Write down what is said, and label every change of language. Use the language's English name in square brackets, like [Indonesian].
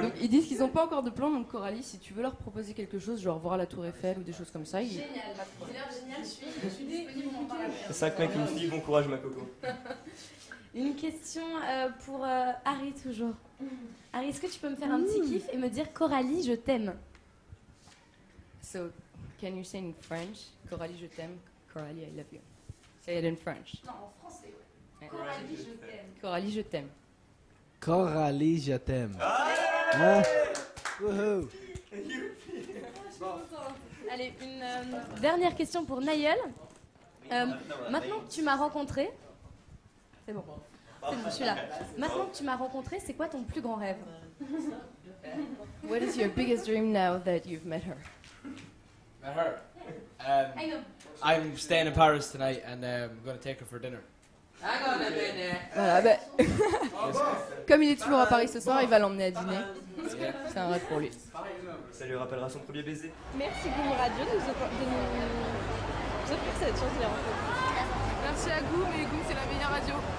[French] Donc, ils disent qu'ils n'ont pas encore de plan, donc Coralie, si tu veux leur proposer quelque chose, genre voir la Tour Eiffel ou des choses comme ça. Génial, c'est l'air génial, je suis disponible. 5 mecs, une fille, bon courage, ma coco. Une question pour Harry, toujours. Harry, est-ce que tu peux me faire un petit kiff et me dire Coralie, je t'aime? [English] So, can you say in French, [French] Coralie, je t'aime, [English] Coralie, I love you? Say it in French. [French] Non, en français, ouais. Coralie, je t'aime. Coralie, je t'aime. Coralie, je t'aime. Hey hein? Woohoo. Allez, une dernière question pour Niall. Maintenant que tu m'as rencontré, c'est bon. C'est bon, je suis là. Maintenant que tu m'as rencontré, c'est quoi ton plus grand rêve? [English] What is your biggest dream now that you've met her? Met her? I know. I'm staying in Paris tonight and I'm going to take her for dinner. [French] Voilà, ben, comme il est toujours à Paris ce soir, il va l'emmener à dîner. C'est un rêve pour lui. Ça lui rappellera son premier baiser. Merci Goom Radio de nous offrir cette chance là. Merci à Goom, et Goom c'est la meilleure radio.